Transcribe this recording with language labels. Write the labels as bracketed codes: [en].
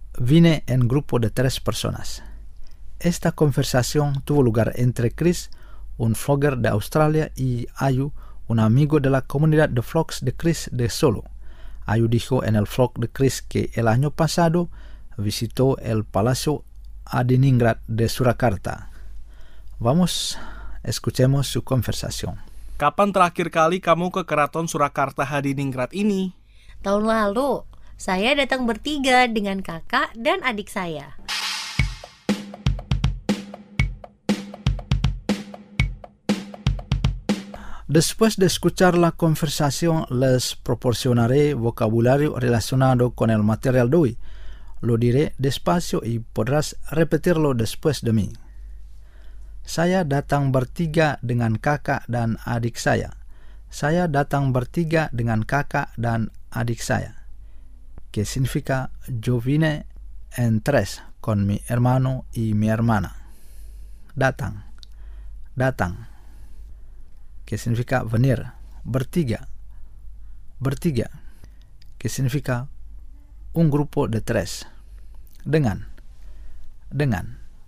[es] vine en grupo de tres personas. Esta conversación tuvo lugar entre Chris, un vlogger de Australia, y Ayu, un amigo de la comunidad de vlogs de Chris de Solo. Ayu dijo en el vlog de Chris que el año pasado visitó el Palacio Adiningrat de Surakarta. Vamos, escuchemos su conversación. [id] Kapan terakhir kali kamu ke Keraton Surakarta Adiningrat ini? Tahun lalu, saya datang bertiga dengan kakak dan adik saya. [es] Después de escuchar la conversación, les proporcionaré vocabulario relacionado con el material de hoy. Lo diré despacio y podrás repetirlo después de mí. [id] Saya datang bertiga dengan kakak dan adik saya. Saya datang bertiga dengan kakak dan adik saya. [es] Que significa yo vine en tres con mi hermano y mi hermana. [id] Datang. Datang. [es] Que significa venir. [id] Bertiga. Bertiga. [es] Que significa un grupo de tres. [id] Dengan. Dengan.